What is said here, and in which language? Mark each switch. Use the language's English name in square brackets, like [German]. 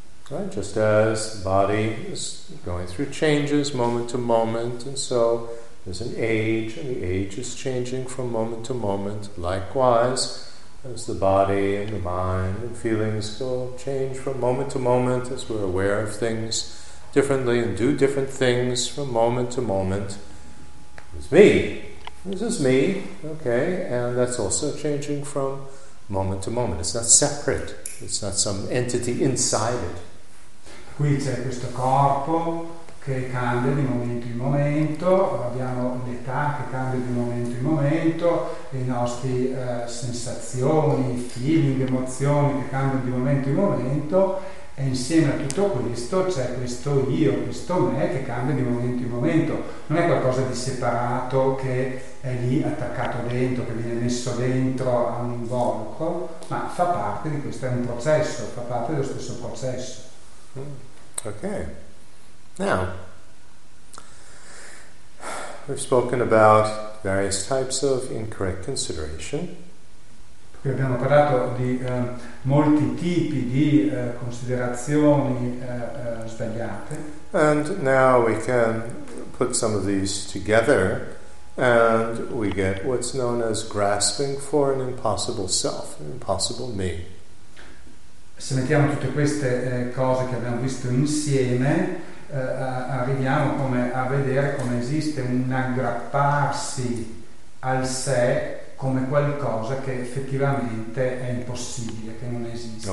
[English] Right, just as body is going through changes moment to moment, and so there's an age, and the age is changing from moment to moment. Likewise, as the body and the mind and feelings go change from moment to moment, as we're aware of things differently and do different things from moment to moment, it's me. This is me, okay, and that's also changing from moment to moment. It's not separate. It's not some entity inside it. [Italian] Qui c'è questo corpo che cambia di momento in momento, abbiamo l'età che cambia di momento in momento, le nostre sensazioni, feeling, emozioni che cambiano di momento in momento, e insieme a tutto questo c'è questo io, questo me che cambia di momento in momento. Non è qualcosa di separato che è lì attaccato dentro, che viene messo dentro a un involucro, ma fa parte di questo, è un processo, fa parte dello stesso processo. Ok. [English] Now, we've spoken about various types of incorrect consideration. [Italian] Qui abbiamo parlato di molti tipi di considerazioni sbagliate. [English] And now we can put some of these together and we get what's known as grasping for an impossible self, an impossible me. [Italian] Se mettiamo tutte queste cose che abbiamo visto insieme, arriviamo come a vedere come esiste un aggrapparsi al sé come qualcosa che effettivamente è impossibile, che non esiste.